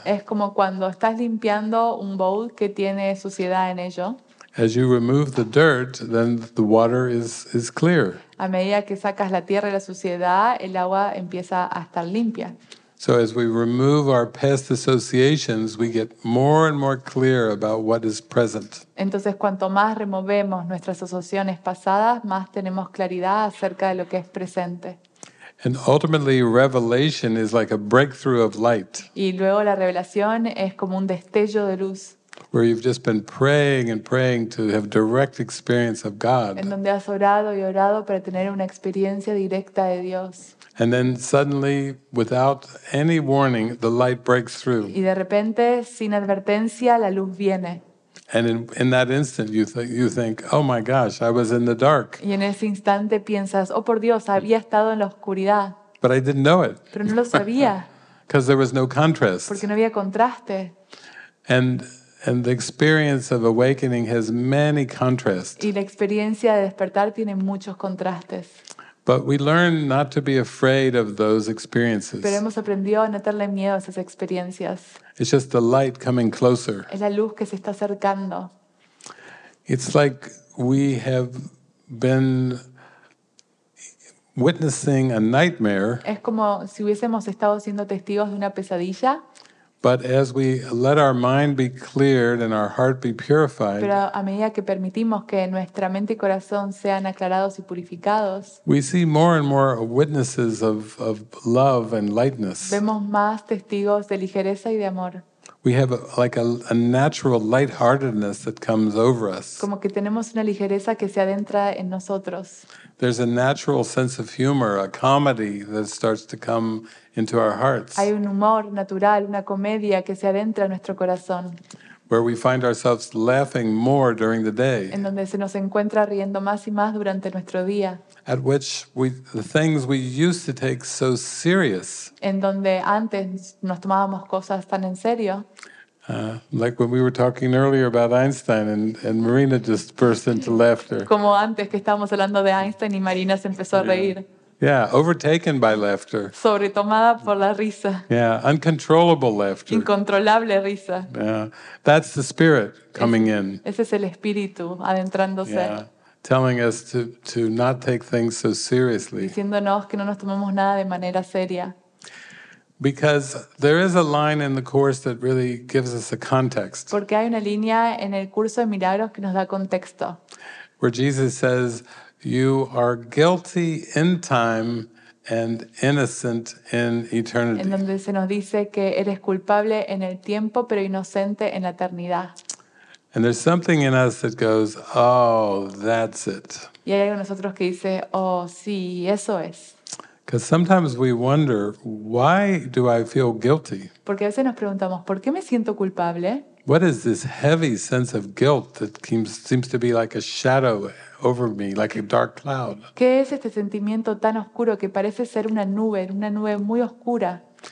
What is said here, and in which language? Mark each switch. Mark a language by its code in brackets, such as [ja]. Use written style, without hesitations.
[es] Es como cuando estás limpiando un bowl que tiene suciedad en ello. [en] As you remove the dirt, then the water is clear. [es] A medida que sacas la tierra y la suciedad, el agua empieza a estar limpia. [en] So as we remove our past associations, we get more and more clear about what is present. [es] Entonces, cuanto más removemos nuestras asociaciones pasadas, más tenemos claridad acerca de lo que es presente. [en] And ultimately, revelation is like a breakthrough of light. [es] Y luego la revelación es como un destello de luz. [en] Where you've just been praying and praying to have direct experience of God. [es] En donde has orado y orado para tener una experiencia directa de Dios. [en] And then suddenly, without any warning, the light breaks through. [es] Y de repente, sin advertencia, la luz viene. [en] And in that instant, you think, oh my gosh, I was in the dark. [es] Y en ese instante piensas, oh por Dios, había estado en la oscuridad. [en] But I didn't know it. [es] Pero no lo sabía. [en] Because there was no contrast. [es] Porque no había contraste. [en] And the experience of awakening has many contrasts. [es] Y la experiencia de despertar tiene muchos contrastes. [en] But we learn not to be afraid of those experiences. [es] Pero hemos aprendido a no tenerle miedo a esas experiencias. [en] It's just the light coming closer. [es] Es la luz que se está acercando. [en] It's like we have been witnessing a nightmare. [es] Es como si hubiésemos estado siendo testigos de una pesadilla. [en] But as we let our mind be cleared and our heart be purified, [es] pero a medida que permitimos que nuestra mente y corazón sean aclarados y purificados, [en] we see more and more witnesses of love and lightness. [es] Vemos más testigos de ligereza y de amor. [en] We have a natural lightheartedness that comes over us. [es] Como que tenemos una ligereza que se adentra en nosotros. [en] There's a natural sense of humor, a comedy that starts to come into our hearts. [es] Hay un humor natural, una comedia que se adentra en nuestro corazón. [en] Where we find ourselves laughing more during the day. [es] En donde se nos encuentra riendo más y más durante nuestro día. [en] At which the things we used to take so serious. [es] En donde antes nos tomábamos cosas tan en serio. [en] Like when we were talking earlier about Einstein and Marina just burst into laughter. [es] Como antes que estábamos hablando de Einstein y Marina se empezó a reír. [en] Yeah, overtaken by laughter. [es] Sobretomada por la risa. [en] Yeah, uncontrollable laughter. [es] Incontrolable risa. [en] Yeah, that's the spirit coming in. [es] Ese es el espíritu adentrándose. [en] Yeah, telling us to not take things so seriously. [es] Diciéndonos que no nos tomemos nada de manera seria. [en] Because there is a line in the course that really gives us a context. [es] Porque hay una línea en el curso de milagros que nos da contexto. [en] Where Jesus says, "You are guilty in time and innocent in eternity." [es] En donde se nos dice que eres culpable en el tiempo, pero inocente en la eternidad. [en] And there's something in us that goes, "Oh, that's it." [es] Y hay algo en nosotros que dice, "Oh, sí, eso es." [en] Because sometimes we wonder, why do I feel guilty? [es] Porque a veces nos preguntamos, ¿por qué me siento culpable? [en] What is this heavy sense of guilt that seems to be like a shadow over me, like a dark cloud? [es] ¿Qué es este sentimiento tan oscuro que parece ser una nube muy oscura?